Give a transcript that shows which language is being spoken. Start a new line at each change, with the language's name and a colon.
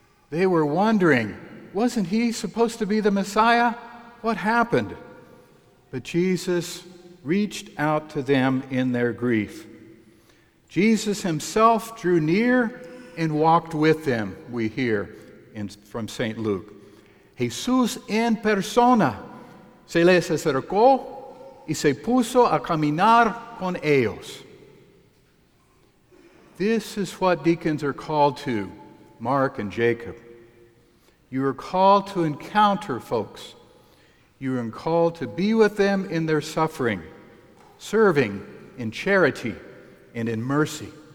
English: They were wondering, wasn't he supposed to be the Messiah? What happened? But Jesus reached out to them in their grief. Jesus himself drew near and walked with them, we hear from St. Luke.
Spanish: Jesús en persona se les acercó y se puso a caminar con ellos.
English: This is what deacons are called to, Mark and Jacob. You are called to encounter folks. You are called to be with them in their suffering, serving in charity and in mercy.